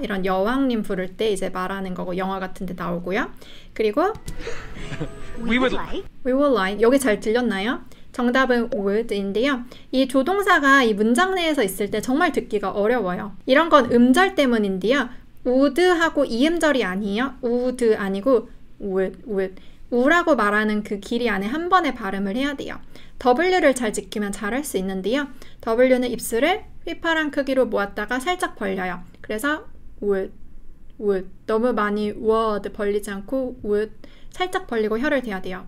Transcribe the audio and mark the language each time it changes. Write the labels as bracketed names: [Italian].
[Korean] 이런 여왕님 부를 때 이제 말하는 거고 영화 같은 데 나오고요. 그리고 [English] We would like [Korean] 여기 잘 들렸나요? 정답은 would인데요. 이 조동사가 이 문장 내에서 있을 때 정말 듣기가 어려워요. 이런 건 음절 때문인데요. would하고 이음절이 아니에요. would 아니고 would. u라고 말하는 그 길이 안에 한 번에 발음을 해야 돼요. w를 잘 지키면 잘할 수 있는데요. w는 입술을 휘파람 크기로 모았다가 살짝 벌려요. 그래서 would. 너무 많이 would 벌리지 않고 would. 살짝 벌리고 혀를 대야 돼요.